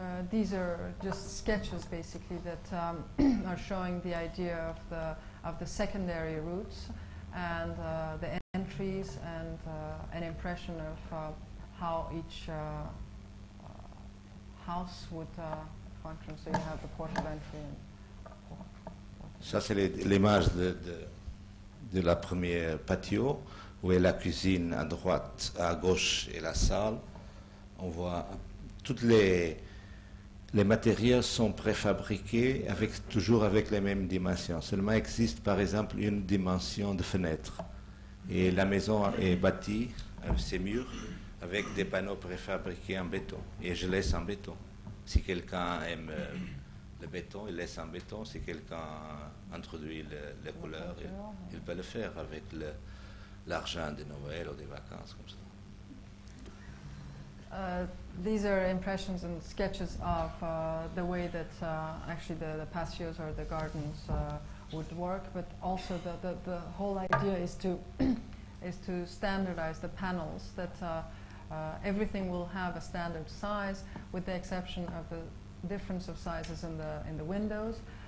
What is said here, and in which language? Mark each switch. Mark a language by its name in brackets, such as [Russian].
[English] These are just sketches, basically, that are showing the idea of the secondary routes and the entries and an impression of how each house would function. So you have the port of entry. And [French] ça c'est l'image de la première patio où est la cuisine à droite, à gauche et la salle. On voit toutes les matériaux sont préfabriqués toujours avec les mêmes dimensions. Seulement existe, par exemple, une dimension de fenêtre. Et la maison est bâtie, avec ses murs, avec des panneaux préfabriqués en béton. Et je laisse en béton. Si quelqu'un aime le béton, il laisse en béton. Si quelqu'un introduit les couleurs, il peut le faire avec l'argent de Noël ou des vacances, comme ça. [English] These are impressions and sketches of the way that actually the patios or the gardens would work, but also the whole idea is to is to standardize the panels, that everything will have a standard size, with the exception of the difference of sizes in the windows,